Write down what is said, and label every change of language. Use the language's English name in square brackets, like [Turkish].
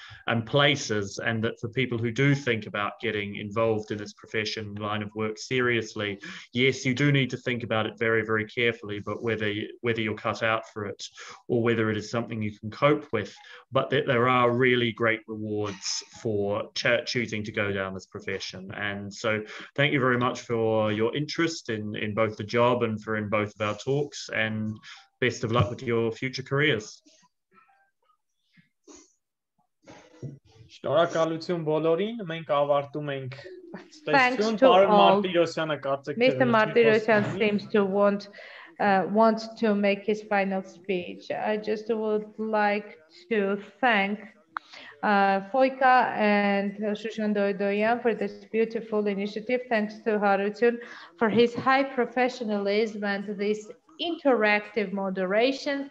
[English] and places, and that for people who do think about getting involved in this profession, line of work seriously, yes, you do need to think about it very, very carefully, but whether you're cut out for it or whether it is something you can cope with, but that there are really great rewards for choosing to go down this profession. And so thank you very much for your interest in both the job and for in both of our talks, and best of luck with your future careers. [Armenian] Շնորհակալություն բոլորին, մենք ավարտում ենք ստացյուն, պարոն Մարտիրոսյանը կարծեք թե Mr. [English] Martirosyan seems to want to make his final speech. I just would like to thank FOICA and Shushan Doydoyan for this beautiful initiative. Thanks to Harutyun for his high professionalism and this interactive moderation.